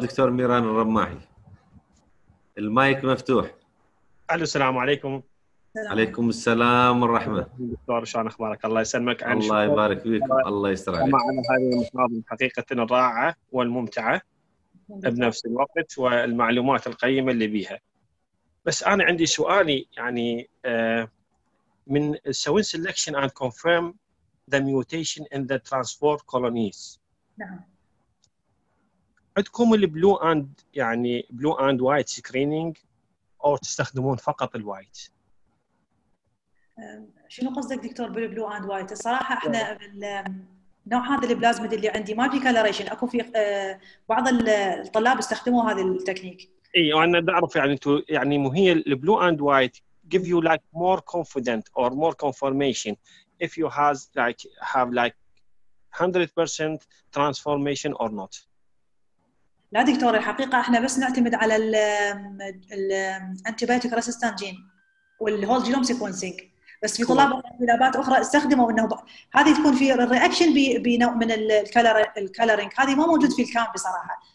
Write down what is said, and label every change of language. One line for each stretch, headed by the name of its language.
Arabic: دكتور ميران الرماحي المايك مفتوح. الو السلام عليكم. عليكم السلام ورحمه دكتور، شلون اخبارك؟ الله يسلمك. الله يبارك فيك. الله يستر عليك. معنا هذه المحاضره حقيقه رائعه والممتعه، بنفس الوقت والمعلومات القيمة اللي بيها. بس أنا عندي سؤالي يعني من سوين
English: selection and confirm the mutation in the transport colonies.
Arabic: نعم. عندكم البلو أند يعني بلو أند وايت سكرينينج أو تستخدمون فقط الوايت؟ شنو قصدك دكتور بالبلو أند وايت؟ الصراحة إحنا نوع هذا البلازمد اللي عندي ما في كالوريشن، أكو في بعض الطلاب استخدموا هذا التكنيك. اي وانا بعرف يعني تو يعني مو هي البلو اند وايت
English: give you like more confident or more confirmation if you has like have like 100% transformation or not.
Arabic: لا دكتور الحقيقه احنا بس نعتمد على الانتيبيوتيك ريزيستنت جين والهول جينوم سيكونسينج، بس في طلاب طلابات اخرى استخدموا انه هذه تكون في الرياكشن بنوع من الكالرينج، هذه ما موجود في الكام بصراحه.